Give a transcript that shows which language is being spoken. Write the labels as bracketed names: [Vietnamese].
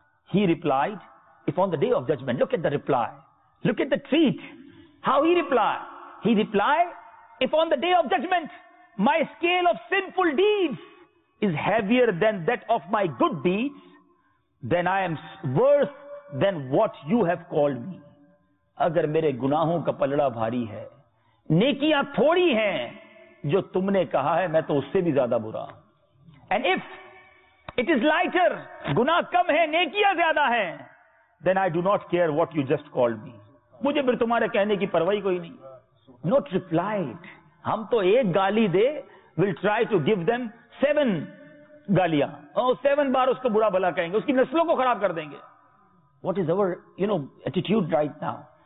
[English] He replied, if on the day of judgment, look at the reply, look at the treat, how he replied. He replied, if on the day of judgment, my scale of sinful deeds is heavier than that of my good deeds, then I am worse than what you have called me. [Urdu] اگر میرے گناہوں کا پلڑا بھاری ہے, نیکیاں تھوڑی ہیں جو تم نے کہا ہے, میں تو اس سے بھی زیادہ برا. [English] And if it is lighter, [Urdu] گناہ کم ہے نیکیاں زیادہ ہیں, [English] then I do not care what you just called me. [Urdu] مجھے پھر تمہارے کہنے کی پروائی کوئی نہیں. [English] Not replied. [Urdu] ہم تو ایک گالی دے, [English] we'll try to give them 7 گالیاں. [Urdu] Oh, 7 بار اس کو برا بھلا کہیں گے, اس کی نسلوں کو خراب کر دیں گے. [English] What is our, you know, attitude right now?